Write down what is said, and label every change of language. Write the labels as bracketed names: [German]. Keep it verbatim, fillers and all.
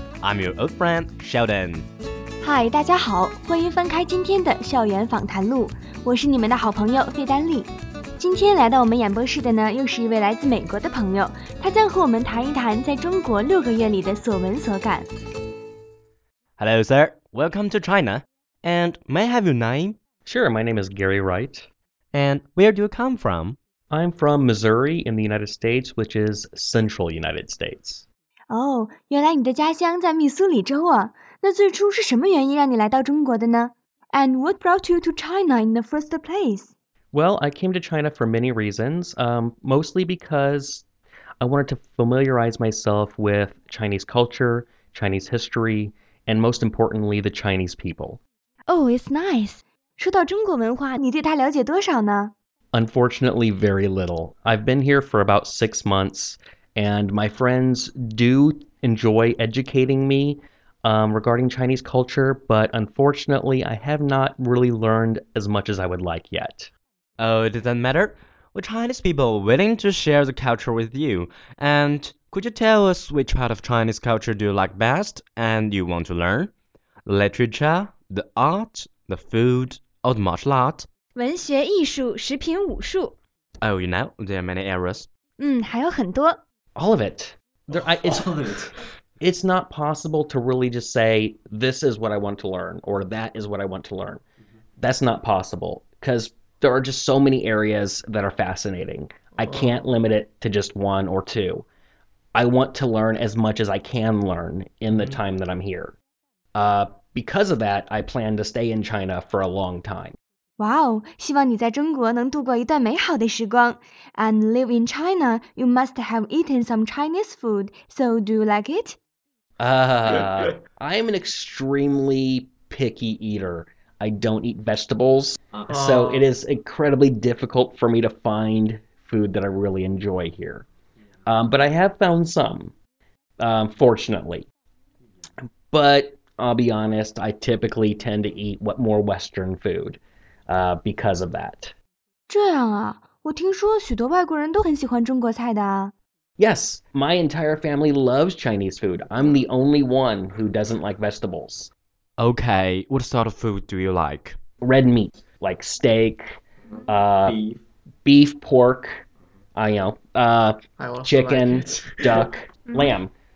[English] I'm your old friend Sheldon. [Chinese] Hi, 大家好，欢迎翻开今天的校园访谈录，我是你们的好朋友费丹丽。今天来到我们演播室的呢，又是一位来自美国的朋友，他将和我们谈一谈在中国六个月里的所闻所感。 [English] Hello, sir. Welcome to China. And may I have your name? Sure, my name is Gary Wright. And where do you come from? I'm from Missouri in the United States, which is central United States. [Chinese] 哦，原来你的家乡在密苏里州啊。那最初是什么原因让你来到中国的呢？ [English] And what brought you to China in the first place? Well, I came to China for many reasons, um, mostly because I wanted to familiarize myself with Chinese culture, Chinese history, and most importantly, the Chinese people. Oh, it's nice. [Chinese] 说到中国文化，你对它了解多少呢？ [English] Unfortunately, very little. I've been here for about six months, and my friends do enjoy educating me um, regarding Chinese culture, but unfortunately, I have not really learned as much as I would like yet. Oh, it doesn't matter. We're Chinese people willing to share the culture with you. And could you tell us which part of Chinese culture do you like best and you want to learn? Literature, the art, the food, or the martial art? [Chinese] 文学艺术食品武术 [English] Oh, you know, there are many areas. [Chinese] 嗯，还有很多 [English] All of it. There, I, it's, All of it. It's not possible to really just say, this is what I want to learn, or that is what I want to learn. That's not possible, because there are just so many areas that are fascinating. I can't limit it to just one or two. I want to learn as much as I can learn in the time that I'm here. Uh, because of that, I plan to stay in China for a long time. [Chinese] Wow, 希望你在中国能度过一段美好的时光。 [English] And live in China, you must have eaten some Chinese food, so do you like it? Uh, I'm an extremely picky eater. I don't eat vegetables, uh-huh. so it is incredibly difficult for me to find food that I really enjoy here. Um, but I have found some, um, fortunately. But I'll be honest, I typically tend to eat what more Western food. Uh, because of that. [Chinese] 这样啊，我听说许多外国人都很喜欢中国菜的啊。 [English] Yes, my entire family loves Chinese food. I'm the only one who doesn't like vegetables. Okay, what sort of food do you like? Red meat, like steak, uh, beef. beef, pork, I know, uh, I chicken, like duck, lamb.